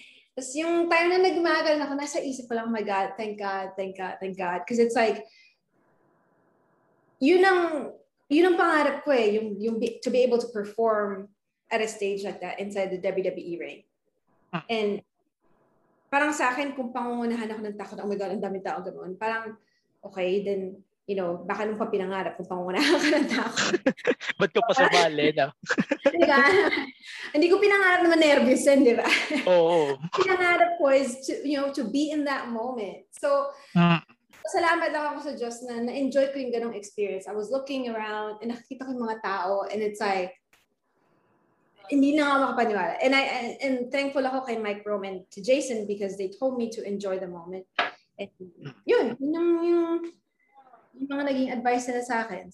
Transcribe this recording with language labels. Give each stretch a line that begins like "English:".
Filipino: Tapos yung time na nagmagal ako, nasa isip ko lang, oh my God,
English: thank God, thank God, thank God. Because it's like,
Filipino: yun ang pangarap ko eh, yung
English: to be able to perform at a stage like that inside the WWE ring. Huh.
Filipino: And parang sa akin, kung pangungunahan ako ng takot, oh my God, ang dami tao ganoon. Parang, okay, then, you know, baka nung pa pinangarap kung pangungunahan ako ng takot. Ba't ka pa sa bali, no? Diba? Hindi ko pinangarap naman nervous, eh, di ba? Oo. Pinangarap ko
English: is, to, you know, to be in that moment.
Filipino: So, salamat lang ako sa Diyos na na-enjoy ko yung ganong experience.
English: I was looking around and
Filipino: nakikita ko yung mga tao and it's like, hindi na ako makapaniwala.
English: And I'm thankful
Filipino: ako kay
English: Mike Rome and to Jason because they told me to enjoy the moment.
Filipino: And yun yung mga naging advice nila sa akin.